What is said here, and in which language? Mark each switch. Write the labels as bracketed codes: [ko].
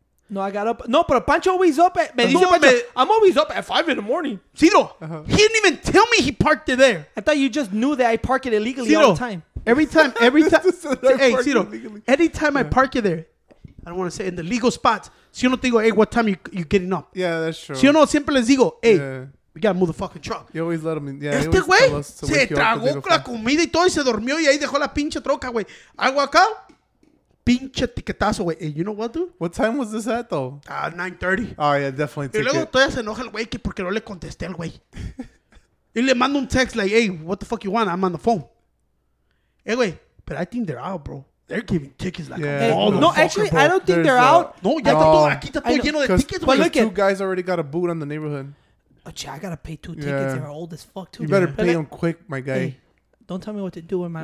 [en] No, I got up. No, but Pancho always up at... I'm always up at 5 in the morning. Cijo, uh-huh. He didn't even tell me he parked it there. I thought you just knew that I park it illegally Cijo, all the time. Every time... hey, Cijo, anytime I park it there, I don't want to say in the legal spots, [es] si yo no te digo, [en] hey, what time you getting up? Yeah, that's true. [es] Si yo no, siempre les digo, [en] hey, we got to move the fucking truck. You always let him in. Yeah, [es] este güey se tragó la comida y todo y se durmió y ahí dejó la pinche troca, güey. Agua acá... Pinche tiquetazo, güey. [en] Hey, you know what, dude? What time was this at, though? 9:30. Oh, yeah, definitely. [es] Y luego todavía se enoja el güey que porque no le contesté al güey. Y le mando un [en] text like, hey, what the fuck you want? I'm on the phone. Hey, güey. But I think they're out, bro. They're giving tickets like all no, fucker, actually, bro. I don't think they're out. [es] No, ya está todo. Aquí está todo lleno de tickets, güey. [en] Two guys already got a boot on the neighborhood. Oh, gee, I gotta pay two tickets. Yeah. They're old as fuck too. You better pay them quick, my guy. Hey, don't tell me what to do in my.